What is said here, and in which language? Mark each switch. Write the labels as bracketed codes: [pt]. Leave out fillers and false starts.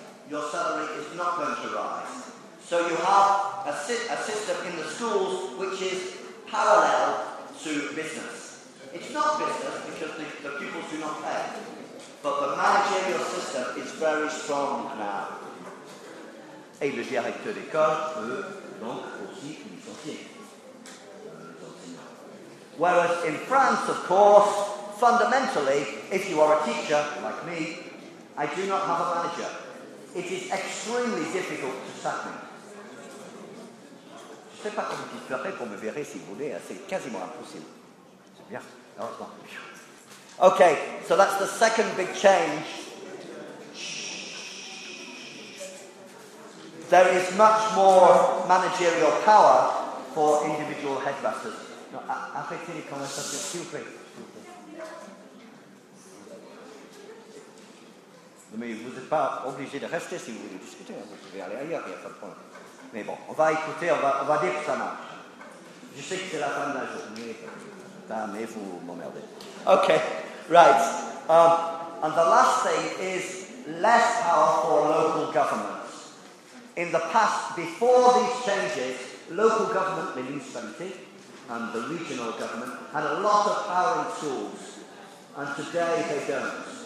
[en] Your salary is not going to rise." So you have a system in the schools which is parallel to business. It's not business because the pupils do not pay. But the managerial system is very strong now. [fr] Et le directeur d'école peut donc aussi licencier. [en] Whereas in France, of course, fundamentally, if you are a teacher, like me, I do not have a manager. It is extremely difficult to sack me. [fr] Je ne sais pas comment tu ferais pour me virer si vous voulez, c'est quasiment impossible. C'est bien, heureusement. [en] Okay, so that's the second big change. There is much more managerial power for individual headmasters. [fr] No, arrêtez les conversations, s'il vous plaît. Mais vous n'êtes pas obligé de rester si vous voulez discuter. Vous pouvez aller ailleurs, il n'y a pas de problème. Mais bon, on va écouter, on va dire que ça marche. Je sais que c'est la fin de la journée. Mais vous m'emmerdez. [en] Okay, right. And the last thing is less power for local government. In the past, before these changes, local government, the municipality, and the regional government had a lot of power in schools, and today they don't.